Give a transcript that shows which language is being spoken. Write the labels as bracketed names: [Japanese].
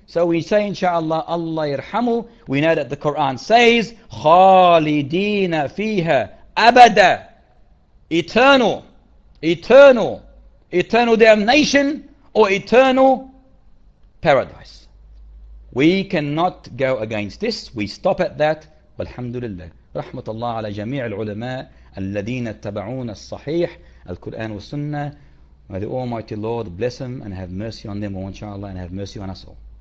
[English] So we say, inshallah, Allah yirhamu. We know that the Quran says, [Arabic] خَالِدِينَ فِيهَا أَبَدًا. [English] Eternal. Eternal. Eternal damnation or eternal paradise. We cannot go against this. We stop at that. Alhamdulillah. [Arabic] رحمة الله على جميع العلماء الذين اتبعون الصحيح القرآن والسنة. [English] May the Almighty Lord bless them and have mercy on them all, inshallah, and have mercy on us all.